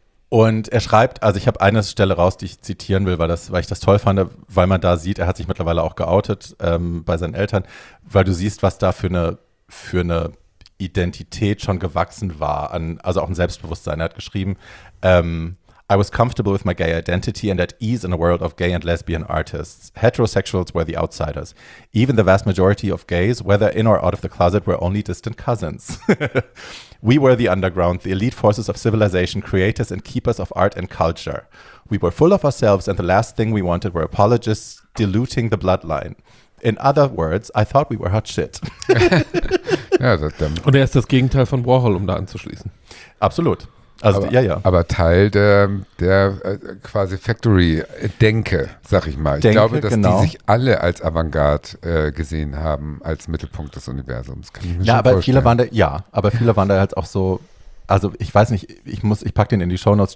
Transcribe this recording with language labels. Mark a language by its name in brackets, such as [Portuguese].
[German] Und er schreibt, also ich habe eine Stelle raus, die ich zitieren will, weil ich das toll fand, weil man da sieht, er hat sich mittlerweile auch geoutet bei seinen Eltern, weil du siehst, was da für eine Identität schon gewachsen war, also auch ein Selbstbewusstsein. Er hat geschrieben, [English] I was comfortable with my gay identity and at ease in a world of gay and lesbian artists. Heterosexuals were the outsiders. Even the vast majority of gays, whether in or out of the closet, were only distant cousins. We were the underground, the elite forces of civilization, creators and keepers of art and culture. We were full of ourselves, and the last thing we wanted were apologists diluting the bloodline. In other words, I thought we were hot shit. [German] Ja, das stimmt. Und er ist das Gegenteil von Warhol, um da anzuschließen. Absolut. Also, aber, ja, ja. Aber Teil der quasi Factory-Denke, sag ich mal. Ich glaube, dass die sich alle als Avantgarde gesehen haben, als Mittelpunkt des Universums. Kann ich mir viele waren da halt auch so, also ich weiß nicht, ich pack den in die Shownotes.